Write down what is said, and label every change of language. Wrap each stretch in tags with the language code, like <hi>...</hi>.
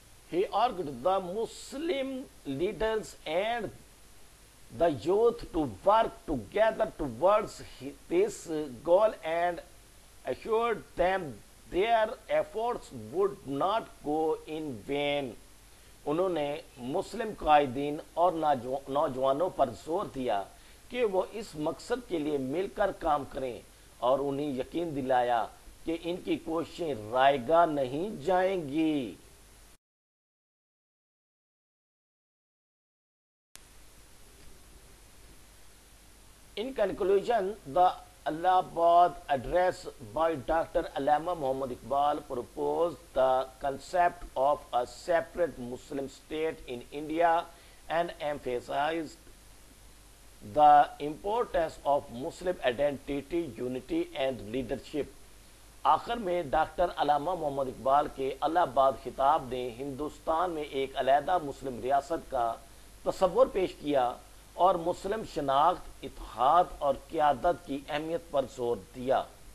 <en>He urged the Muslim leaders and the youth to work together towards this goal and assured them their efforts would not go in vain.</en> <ur>انہوں نے مسلم قائدین اور نوجوانوں پر زور دیا کہ وہ اس مقصد کے لیے مل کر کام کریں اور انہیں یقین دلایا کہ ان کی کوششیں رائے گاہ نہیں جائیں گی.</ur> <en>In conclusion, the Allah Abad address by Dr. Allama Muhammad Iqbal proposed the concept of a separate Muslim state in India and emphasized the importance of Muslim identity, unity and leadership.</en> <ur>آخر میں doctor علامہ محمد اقبال کے الہ آباد خطاب نے ہندوستان میں ایک علیحدہ مسلم ریاست کا تصور پیش کیا اور مسلم شناخت، اتحاد اور قیادت کی اہمیت پر زور دیا۔</ur>